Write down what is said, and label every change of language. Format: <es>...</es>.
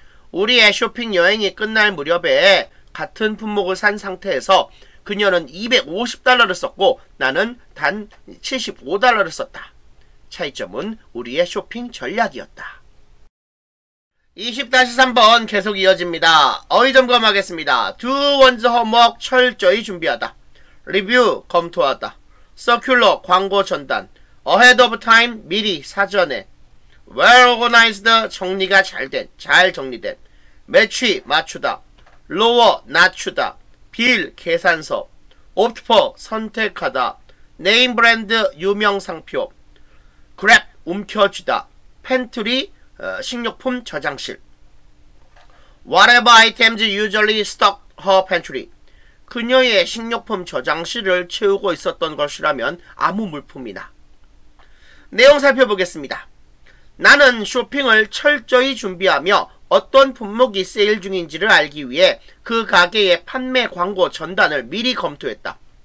<ko>우리의 쇼핑 여행이 끝날 무렵에 같은 품목을 산 상태에서 그녀는 250달러를 썼고 나는 단 75달러를 썼다. 차이점은 우리의 쇼핑 전략이었다. 20-3번 계속 이어집니다. 어휘 점검하겠습니다. Do one's homework 철저히 준비하다. Review 검토하다. Circular 광고 전단. Ahead of time 미리 사전에. Well organized 정리가 잘 정리된. Match 맞추다. Lower 낮추다. Bill 계산서. Opt for 선택하다. Name brand 유명 상표. Grab 움켜쥐다. Pantry 식료품 저장실.</ko> <en>Whatever items usually stock her pantry.</en> <ko>그녀의 식료품 저장실을 채우고 있었던 것이라면 아무 물품이나. 내용 살펴보겠습니다. 나는 쇼핑을 철저히 준비하며 어떤 품목이 세일 중인지를 알기 위해 그 가게의 판매 광고 전단을 미리 검토했다.</ko>